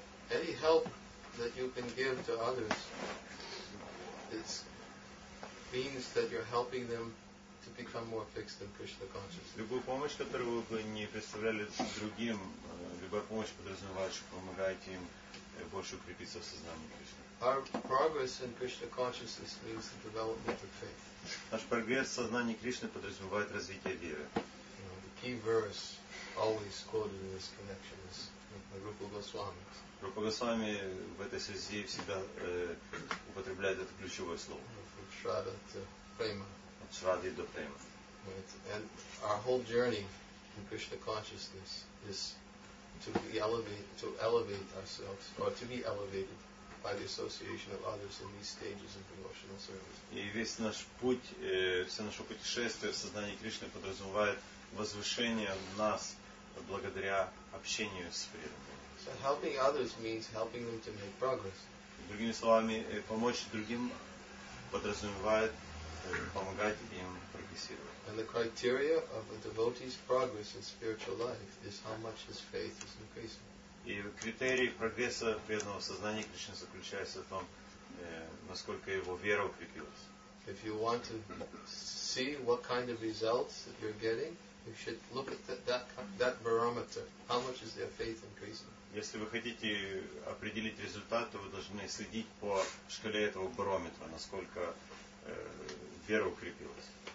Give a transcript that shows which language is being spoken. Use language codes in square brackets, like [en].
[en] Any help that you can give to others, it means that you're helping them to become more fixed in Krishna consciousness. [ru] Любую помощь, которую вы не представляли другим, любая помощь подразумевает, что помогаете им больше укрепиться в сознании Кришны. [en] Our progress in Krishna consciousness means the development of faith. [ru] Наш прогресс в сознании Кришны подразумевает развитие веры. [en] The key verse always quoted in this connection is Rupa Goswami. [ru] Rupa Goswami в этой связи всегда употребляет это ключевое слово. [en] From Shraddha to Prema. [ru] От Шрадды до Према. [en] And our whole journey in Krishna consciousness is to be elevate ourselves or to be elevated. By the association of others in these stages of devotional service. [ru] И весь наш путь, все наше путешествие в сознании Кришны подразумевает возвышение нас благодаря общению с преданными. [en] So helping others means helping them to make progress. [ru] Другими словами, помочь другим подразумевает помогать им прогрессировать. [en] And the criteria of a devotee's progress in spiritual life is how much his faith is increasing. [ru] И критерий прогресса преданного сознания Кришны заключается в том, насколько его вера укрепилась. [en] If you want to see what kind of results that you're getting, you should look at that barometer. How much is their faith increasing? [ru] Если вы хотите определить результат, то вы должны следить по шкале этого барометра, насколько вера укрепилась.